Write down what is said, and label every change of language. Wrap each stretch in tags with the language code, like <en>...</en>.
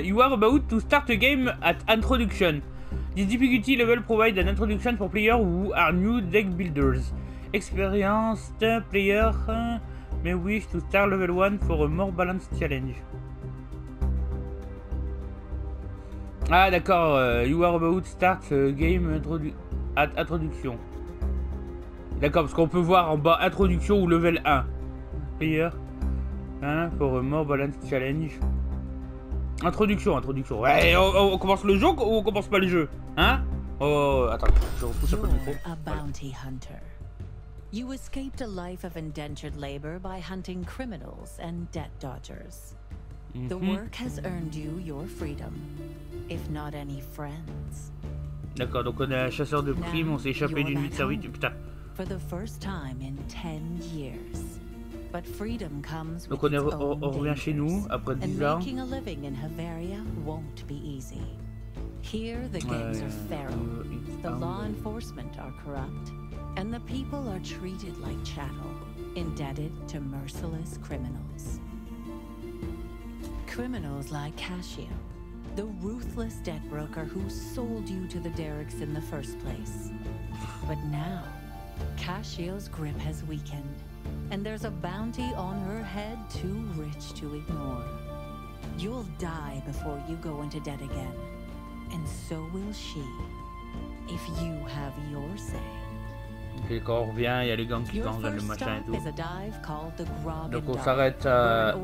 <en>You are about to start a game at introduction. This difficulty level provide an introduction for players who are new deck builders. Experienced players may wish to start level 1 for a more balanced challenge.</en> <fr>Ah d'accord,</fr> <en>you are about to start game introduction.</en> <fr>D'accord, parce qu'on peut voir en bas introduction ou level 1.</fr> <en>Player 1 for a more balanced challenge.</en> <fr>Introduction, introduction. Ouais, on commence le jeu ou on commence pas le jeu? Hein? Oh, attends, je repousse un peu le micro.</fr> <en>You're a bounty hunter. You escaped a life of indentured labor by hunting criminals and debt dodgers. The work has earned you your freedom, if not any friends.</en> <fr>D'accord, donc on est un chasseur de primes, on s'est échappé d'une vie de servitude, putain.</fr> <en>For the first time in 10 years. But freedom comes with its own dangers.</en> <fr>Donc on revient chez nous après 10 ans.</fr> <en>And making a living in Haveria won't be easy. Here the games are feral. The law enforcement are corrupt. And the people are treated like chattel, indebted to merciless criminals. Criminals like Cassio, the ruthless debt broker who sold you to the Derricks in the first place. But now, Cassio's grip has weakened, and there's a bounty on her head too rich to ignore. You'll die before you go into debt again, and so will she, if you have your say.</en> <fr>Et quand on revient, il y a les gants qui tangent, le machin et tout. Donc on s'arrête à...</fr>